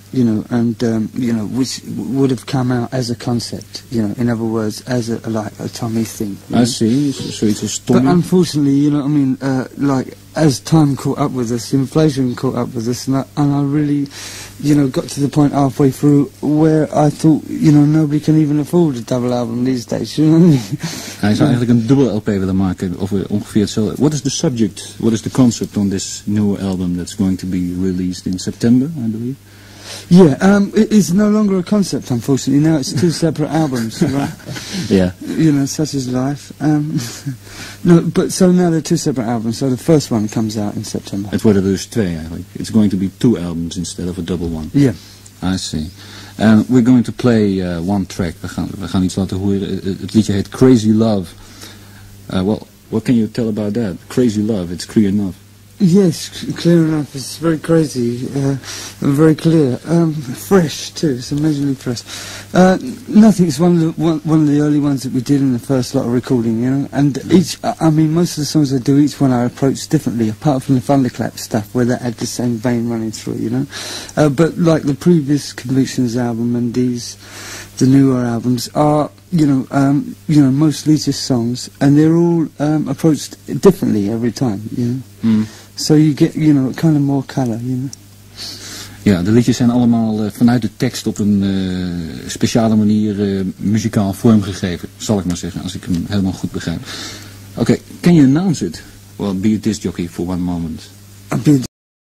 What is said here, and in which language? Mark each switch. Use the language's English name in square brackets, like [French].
[English] You know, and, you know, which would have come out as a concept, you know, in other words, as a Tommy thing. I see, so it's a story. But unfortunately, you know what I mean, like, as time caught up with us, inflation caught up with us, and I really, you know, got to the point halfway through where I thought, you know, nobody can even afford a double album these days, you know what I mean? [Dutch] Hij zou eigenlijk een dubbele LP willen maken, of ongeveer hetzelfde. [English] What is the subject, what is the concept on this new album that's going to be released in September, I believe? Yeah, it's no longer a concept, unfortunately. Now it's two separate albums, right? Yeah. You know, such is life. No, but so now they're two separate albums. So the first one comes out in September. [Dutch] Het worden dus twee eigenlijk. [English] It's going to be two albums instead of a double one. Yeah. I see. We're going to play one track. [Dutch] We gaan iets laten horen. Het liedje heet Crazy Love. [English] Well, what can you tell about that? Crazy Love, it's clear enough. Yes, clear enough. It's very crazy. And very clear. Fresh, too. It's amazingly fresh. Nothing. It's one of the early ones that we did in the first lot of recording, you know? And most of the songs I do, each one I approach differently, apart from the Thunderclap stuff, where that had the same vein running through, you know? But, like, the previous Convictions album and these, the newer albums, are, you know, mostly just songs, and they're all approached differently every time, you know? Mm. So you get, you know, kind of more colour, you know. [Dutch] Ja, de liedjes zijn allemaal vanuit de tekst op een speciale manier muzikaal vormgegeven, zal ik maar zeggen, als ik hem helemaal goed begrijp. [English] Oké, can you announce it? Well, be a disc jockey for one moment.